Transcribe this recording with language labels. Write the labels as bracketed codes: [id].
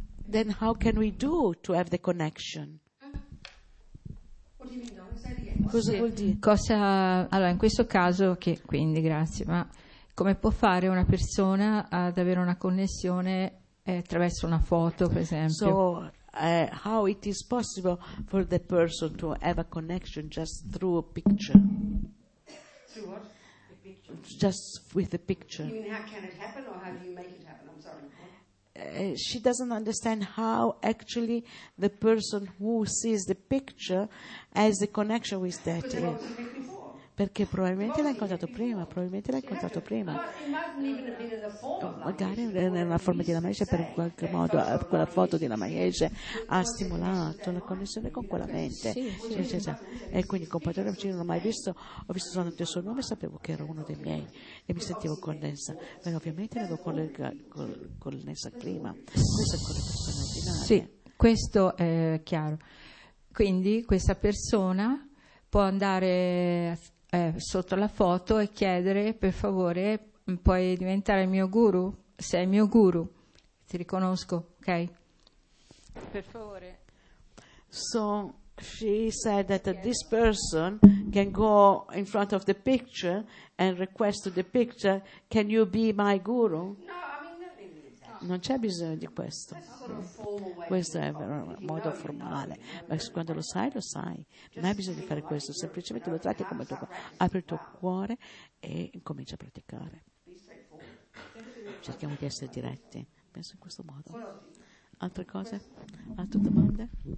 [en] Then how can we do to have the connection? [it] Cosa allora in questo caso che quindi grazie, ma come può fare una persona ad avere una connessione attraverso una foto, per esempio? [en] So, how it is possible for the person to have a connection just through a picture? Just with the picture. You mean how can it happen or how do you make it happen? I'm sorry. She doesn't understand how actually the person who sees the picture has a connection with that. [it] Perché probabilmente l'ha incontrato prima, probabilmente l'ha incontrato prima. Magari nella forma di Lamaiese, per qualche modo, quella foto di Lamaiese ha stimolato la connessione con quella mente. Sì, sì, sì. E quindi con Padre Vicino non l'ho mai visto, ho visto soltanto il suo nome e sapevo che era uno dei miei e mi sentivo connessa. Ma ovviamente l'avevo connessa prima. Questa è quella persona ordinaria. Sì, questo è chiaro. Quindi questa persona può andare sotto la foto e chiedere per favore puoi diventare il mio guru, sei il mio guru, ti riconosco, ok? Per favore. [en] So she said that this person can go in front of the picture and request the picture, can you be my guru? [it] Non c'è bisogno di questo. Questo è un modo formale, ma quando lo sai, lo sai. Non hai bisogno di fare questo, semplicemente lo tratti come tu. Apri il tuo cuore e incomincia a praticare. Cerchiamo di essere diretti. penso in questo modo. Altre cose? Altre domande?